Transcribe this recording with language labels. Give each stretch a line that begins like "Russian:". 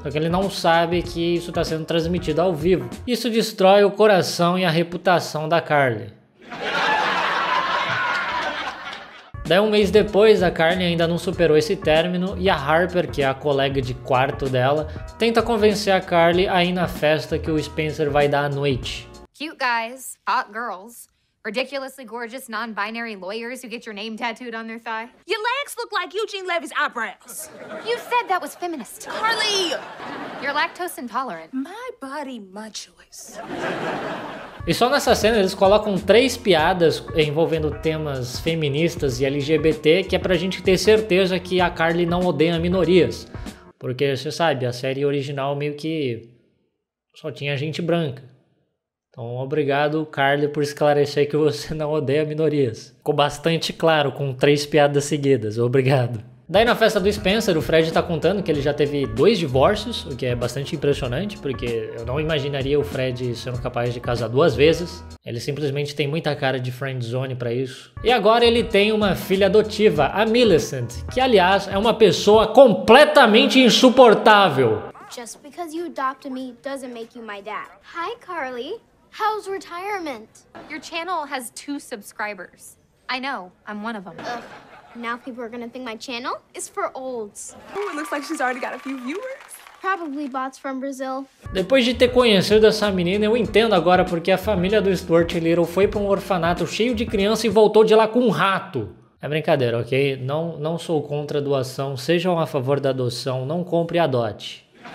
Portuguese: Só que ele não sabe que isso está sendo transmitido ao vivo. Isso destrói o coração e a reputação da Carly. Daí um mês depois, a Carly ainda não superou esse término e a Harper, que é a colega de quarto dela, tenta convencer a Carly a ir na festa que o Spencer vai dar à noite.
English: Cute guys, hot girls, ridiculously gorgeous non-binary lawyers who get your name tattooed on their thigh. Your legs look like Eugene Levy's eyebrows. You said that was feminist. Carly! You're lactose intolerant. My body, my choice.
Portuguese: E só nessa cena eles colocam três piadas envolvendo temas feministas e LGBT, que é pra gente ter certeza que a Carly não odeia minorias. Porque, você sabe, a série original meio que só tinha gente branca. Então obrigado, Carly, por esclarecer que você não odeia minorias. Ficou bastante claro com três piadas seguidas, obrigado. Daí na festa do Spencer, o Fred tá contando que ele já teve dois divórcios, o que é bastante impressionante, porque eu não imaginaria o Fred sendo capaz de casar duas vezes. Ele simplesmente tem muita cara de friendzone pra isso. E agora ele tem uma filha adotiva, a Millicent, que aliás é uma pessoa completamente insuportável.
English: Just because you adopted me doesn't make you my dad. Hi Carly, how's retirement? Your channel has two subscribers. I know, I'm one of them. Now people are gonna think my channel is for olds. Oh, it looks like she's already got a few viewers. Probably bots from Brazil.
Portuguese: Depois de ter conhecido essa menina, eu entendo agora porque a família do Stuart Little foi para um orfanato cheio de criança e voltou de lá com um rato. É brincadeira, ok? Não sou contra a doação, sejam a favor da adoção, não compre e adote.